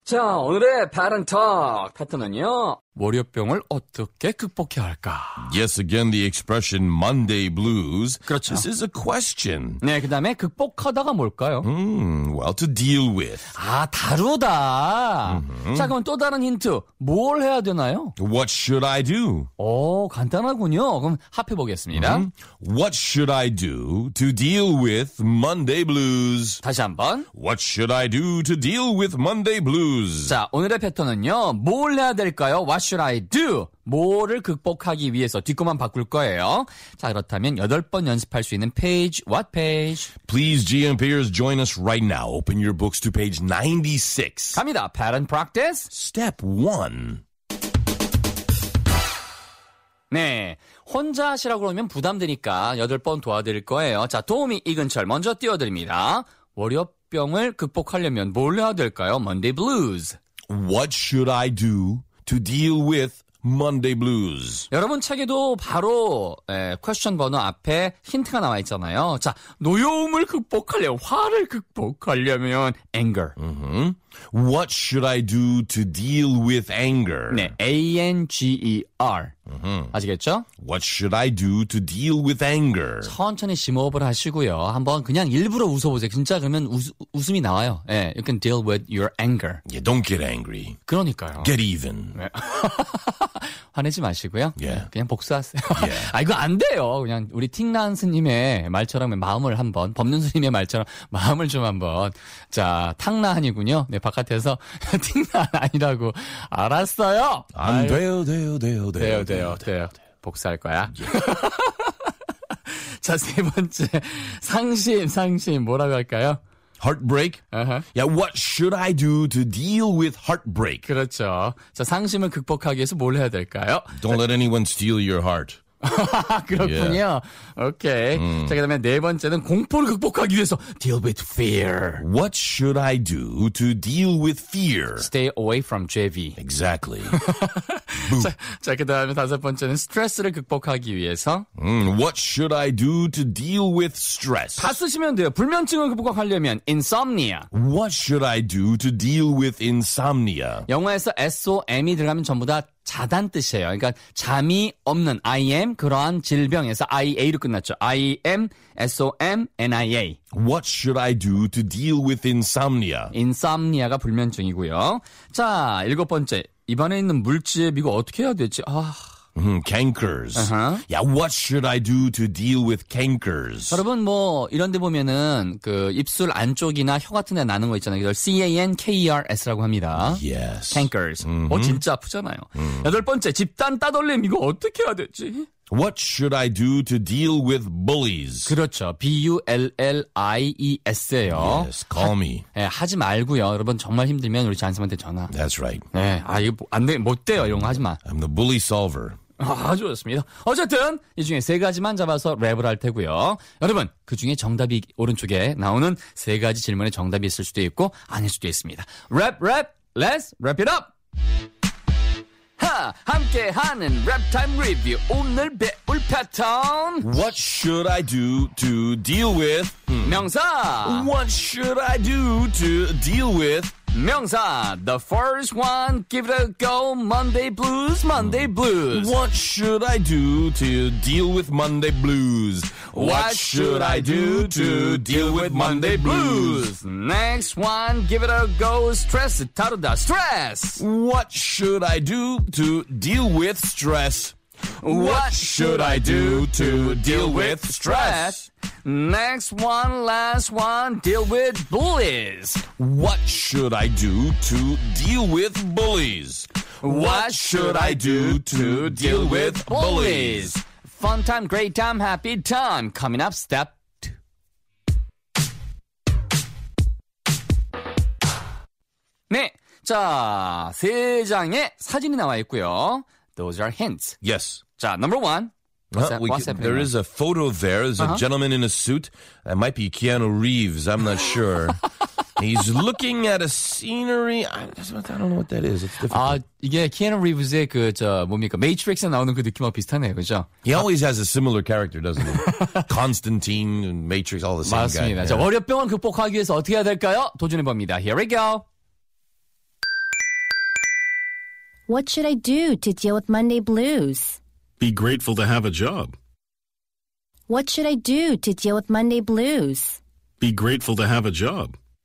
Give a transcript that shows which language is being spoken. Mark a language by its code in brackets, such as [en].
[ko] 자, 오늘의 바른톡 패턴은요. 월요병을 어떻게 극복해야 할까? [en] Yes, again, the expression Monday blues. [ko] 그렇죠. [en] This is a question. [ko] 네, 그 다음에 극복하다가 뭘까요? [en] Well, to deal with. [ko] 아, 다루다. Mm-hmm. 자, 그럼 또 다른 힌트. 뭘 해야 되나요? [en] What should I do? [ko] 오, 간단하군요. 그럼 합해보겠습니다. [en] What should I do to deal with Monday blues? [ko] 다시 한번. [en] What should I do to deal with Monday blues? [ko] 자, 오늘의 패턴은요. 뭘 해야 될까요? [en] What should I do? [ko] 뭐를 극복하기 위해서 뒷구만 바꿀 거예요. 자, 그렇다면 8번 연습할 수 있는 page, [en] what page? Please, GMPers, join us right now. Open your books to page 96. [ko] 갑니다. [en] Pattern practice. Step 1. [ko] 네, 혼자 하시라고 그러면 부담되니까 8번 도와드릴 거예요. 자, 도우미 이근철 먼저 띄워드립니다. 월요병을 극복하려면 뭘 해야 될까요? [en] Monday blues. What should I do to deal with Monday blues? [ko] 여러분 책에도 바로 question 번호 앞에 힌트가 나와 있잖아요. 자, 노여움을 극복하려면, 화를 극복하려면 anger. Mm-hmm. [en] What should I do to deal with anger? [ko] 네, A-N-G-E-R. Mm-hmm. 아시겠죠? [en] What should I do to deal with anger? [ko] 천천히 심호흡을 하시고요. 한번 그냥 일부러 웃어보세요. 진짜 그러면 웃음이 나와요. [en] 예, you can deal with your anger. Yeah, don't get angry. [ko] 그러니까요. [en] Get even. [ko] 네. 화내지 마시고요. [en] Yeah. [ko] 그냥 복수하세요. [en] Yeah. [ko] 아, 이거 안 돼요. 그냥 우리 탕란스님의 말처럼 마음을 한번, 법륜스님의 말처럼 마음을 좀 한번. 자, 탕란이군요. 네, 바깥에서 탕란 아니라고 알았어요. 안 아유. 돼요, 돼요, 돼요, 돼요. 돼요. 돼요, 돼요. 복수할 거야. [en] Yeah. [ko] 자, 세 번째. 상심, 상심. 뭐라고 할까요? [en] Heartbreak? Uh-huh. Yeah, what should I do to deal with heartbreak? [ko] 그렇죠. 자, 상심을 극복하기 위해서 뭘 해야 될까요? [en] Don't let anyone steal your heart. [ko] 그렇군요. [en] Yeah. Okay. [ko] 자, 그 다음에 네 번째는 공포를 극복하기 위해서 [en] deal with fear. What should I do to deal with fear? Stay away from JV. Exactly. [ko] 자, 그 다음에 다섯 번째는 스트레스를 극복하기 위해서 [en] What should I do to deal with stress? [ko] 다 쓰시면 돼요. 불면증을 극복하려면 insomnia. [en] What should I do to deal with insomnia? [ko] 영어에서 SOM이 들어가면 전부 다 자단 뜻이에요. 그러니까 잠이 없는 IM 그러한 질병에서 IA로 끝났죠. IM, SOM, NIA. [en] What should I do to deal with insomnia? [ko] Insomnia가 불면증이고요. 자, 일곱 번째. 입안에 있는 물집 이거 어떻게 해야 되지? 아. [en] Cankers. Uh-huh. Yeah, what should I do to deal with cankers? [ko] 여러분 뭐 이런 데 보면은 그 입술 안쪽이나 혀 같은 데 나는 거 있잖아요. 그걸 cankers라고 합니다. [en] Yes. Cankers. 어 mm-hmm. [ko] 뭐 진짜 아프잖아요. Mm. 여덟 번째 집단 따돌림 이거 어떻게 해야 되지? [en] What should I do to deal with bullies? [ko] 그렇죠. B-U-L-L-I-E-S예요. [en] Yes, call me. [ko] 네, 하지 말고요. 여러분 정말 힘들면 우리 잔쌤한테 전화. [en] That's right. [ko] 네, 아 이거 안 돼, 못 돼요. 이런 거 하지 마. [en] I'm the bully solver. [ko] 아, 좋습니다. 어쨌든 이 중에 세 가지만 잡아서 랩을 할 테고요. 여러분 그 중에 정답이 오른쪽에 나오는 세 가지 질문에 정답이 있을 수도 있고 아닐 수도 있습니다. [en] Rap, rap, let's wrap it up. [ko] 함께하는 랩타임 리뷰 오늘 배울 패턴 [en] What should I do to deal with [ko] 명사 [en] What should I do to deal with 명사 The first one give it a go Monday blues Monday blues What should I do to deal with Monday blues What should I do to deal with Monday blues? Next one, give it a go. Stress, 다루다, stress. What should I do to deal with stress? What should I do to deal with stress? Next one, last one, deal with bullies. What should I do to deal with bullies? What should I do to deal with bullies? Fun time, great time, happy time. Coming up, step two. [ko] 네, 자, 세 장의 사진이 나와 있고요. [en] Those are hints. Yes. 자, number one. There is a photo there. There's a gentleman in a suit. That might be Keanu Reeves. I'm not sure. He's looking at a scenery. I don't know what that is. It's difficult. [ko] 이게 Keanu Reeves의 그 저 뭡니까 Matrix에 나오는 그 느낌하고 비슷하네요, 그렇죠? [en] He always has a similar character, doesn't he? Constantine, Matrix, all the same [ko] 맞습니다. [en] guy. [ko] 맞습니다. 자, 월요병을 극복하기 위해서 어떻게 해야 될까요? 도전해 봅니다. [en] Here we go. What should I do to deal with Monday blues? Be grateful to have a job. What should I do to deal with Monday blues? Be grateful to have a job.